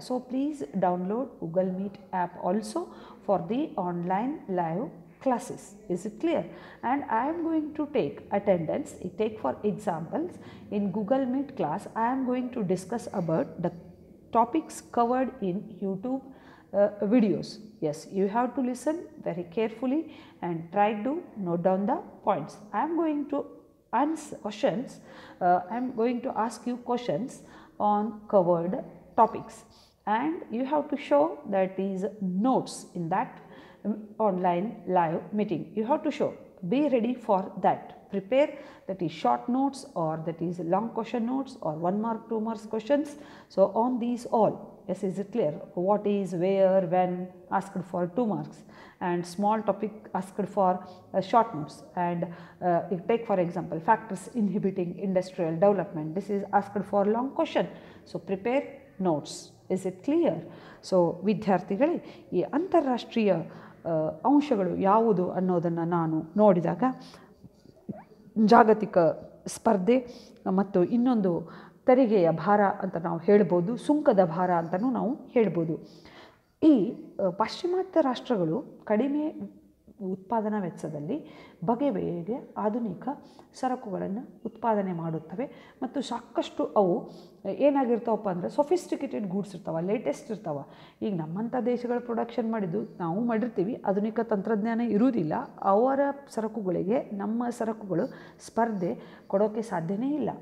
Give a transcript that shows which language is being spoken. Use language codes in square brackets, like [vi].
[en] So please download Google Meet app also for the online live classes. Is it clear? And I am going to take attendance, take for examples in Google Meet class I am going to discuss about the topics covered in YouTube videos. Yes, you have to listen very carefully and try to note down the points. I am going to answer questions. I am going to ask you questions on covered topics and you have to show that these notes in that online live meeting. You have to show, be ready for that. Prepare that is short notes or that is long question notes or one mark, two marks questions. So on these all. Yes, is it clear? What is, where, when, asked for 2 marks and small topic asked for short notes and take for example factors inhibiting industrial development. This is asked for long question. So prepare notes. Is it clear? [kn] So vidyarthigale, ee antarashtriya aunshagalu yavudu annodanna nanu nodidaga jagatika spardhe mattu innondu ತೆರಿಗೆಯ ಭಾರ ಅಂತ ನಾವು ಹೇಳ್ಬೋದು, ಸುಂಕದ ಭಾರ ಅಂತಲೂ ನಾವು ಹೇಳ್ಬೋದು. ಈ ಪಾಶ್ಚಿಮಾತ್ಯ ರಾಷ್ಟ್ರಗಳು ಕಡಿಮೆ ಉತ್ಪಾದನಾ ವೆಚ್ಚದಲ್ಲಿ ಬಗೆ ಬಗೆಗೆ ಆಧುನಿಕ ಸರಕುಗಳನ್ನು ಉತ್ಪಾದನೆ ಮಾಡುತ್ತವೆ ಮತ್ತು ಸಾಕಷ್ಟು ಅವು ಏನಾಗಿರ್ತಾವಪ್ಪ ಅಂದರೆ ಸೊಫಿಸ್ಟಿಕೇಟೆಡ್ ಗೂಡ್ಸ್ ಇರ್ತಾವೆ, ಲೇಟೆಸ್ಟ್ ಇರ್ತಾವೆ. ಈಗ ನಮ್ಮಂಥ ದೇಶಗಳು ಪ್ರೊಡಕ್ಷನ್ ಮಾಡಿದ್ದು ನಾವು ಮಾಡಿರ್ತೀವಿ, ಆಧುನಿಕ ತಂತ್ರಜ್ಞಾನ ಇರುವುದಿಲ್ಲ, ಅವರ ಸರಕುಗಳಿಗೆ ನಮ್ಮ ಸರಕುಗಳು ಸ್ಪರ್ಧೆ ಕೊಡೋಕ್ಕೆ ಸಾಧ್ಯವೇ ಇಲ್ಲ.